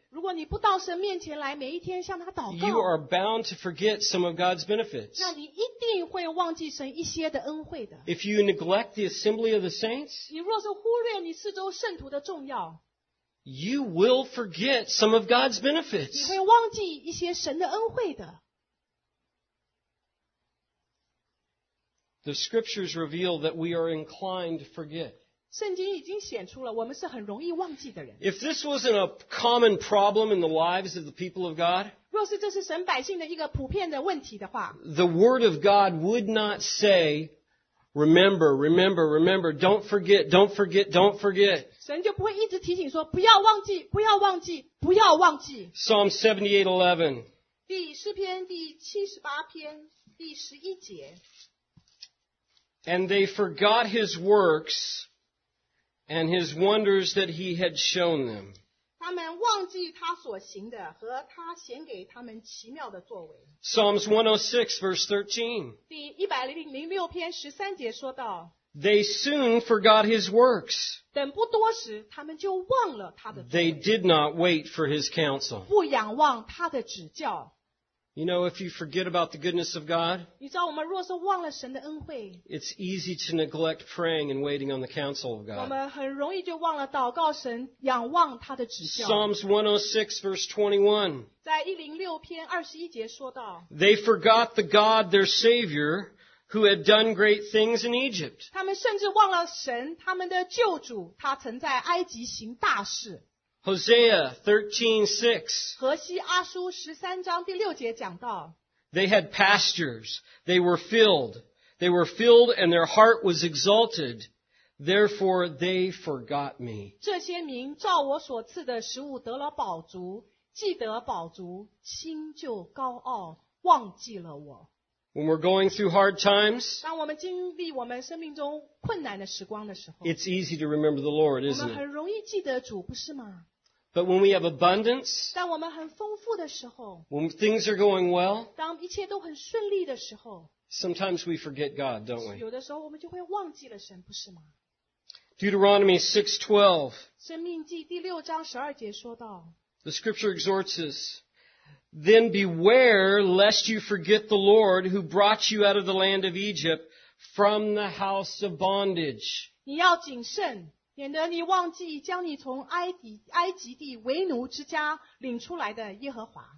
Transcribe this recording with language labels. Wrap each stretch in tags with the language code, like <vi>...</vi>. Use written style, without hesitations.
<zh>如果你不到神面前来每一天向他祷告。</zh> <en>You are bound to forget some of God's benefits.</en> <zh>那你一定会忘记神一些的恩惠的。</zh> <en>If you neglect the assembly of the saints,</en> <zh>你若是忽略你四周圣徒的重要。</zh> <en>You will forget some of God's benefits.</en> <zh>你会忘记一些神的恩惠的。</zh> <en>The scriptures reveal that we are inclined to forget.</en> <zh>圣经已经显出了我们是很容易忘记的人。</zh> <en>If this wasn't a common problem in the lives of the people of God,</en> <zh>若是这是神百姓的一个普遍的问题的话，</zh> <en>the word of God would not say, remember, remember, remember, don't forget, don't forget, don't forget.</en> <zh>神就不会一直提醒说不要忘记，不要忘记，不要忘记。</zh> <en>Psalm 78:11.</en> <zh>第诗篇第78篇第11节。</zh> <en>And they forgot his works and his wonders that he had shown them.</en> <zh>他们忘记他所行的和他显给他们奇妙的作为。</zh> <en>Psalms 106:13.</en> <zh>第106篇13节说到。</zh> <en>They soon forgot his works.</en> <zh>等不多时他们就忘了他的作为。</zh> <en>They did not wait for his counsel.</en> <zh>不仰望他的指教。</zh> <en>You know, if you forget about the goodness of God,</en> <zh>你知道我们若是忘了神的恩惠，</zh> <en>it's easy to neglect praying and waiting on the counsel of God.</en> <zh>我们很容易就忘了祷告神，仰望他的指教。</zh> <en>Psalms 106:21.</en> <zh>在106篇21节说到，</zh> <en>They forgot the God, their Savior, who had done great things in Egypt.</en> <zh>他们甚至忘了神，他们的救主，他曾在埃及行大事。</zh> <en>Hosea 13:6.</en> <zh>何西阿书十三章第六节讲到。</zh> <en>They had pastures, they were filled, they were filled, and their heart was exalted. Therefore they forgot me.</en> <zh>这些民照我所赐的食物得了饱足，记得饱足，心就高傲，忘记了我。</zh> <en>When we're going through hard times,</en> <zh>当我们经历我们生命中困难的时光的时候，</zh> <en>it's easy to remember the Lord, isn't it?</en> <zh>我们很容易记得主，不是吗？</zh> <en>But when we have abundance,</en> <zh>当我们很丰富的时候，</zh> <en>when things are going well,</en> <zh>当一切都很顺利的时候，</zh> <en>sometimes we forget God, don't we?</en> <zh>有的时候我们就会忘记了神，不是吗？</zh> <en>Deuteronomy 6:12,</en> <zh>生命记第六章十二节说到，</zh> <en>the scripture exhorts us,Then beware lest you forget the Lord who brought you out of the land of Egypt from the house of bondage.</en> <zh>你要谨慎，免得你忘记将你从埃及地为奴之家领出来的耶和华。</zh>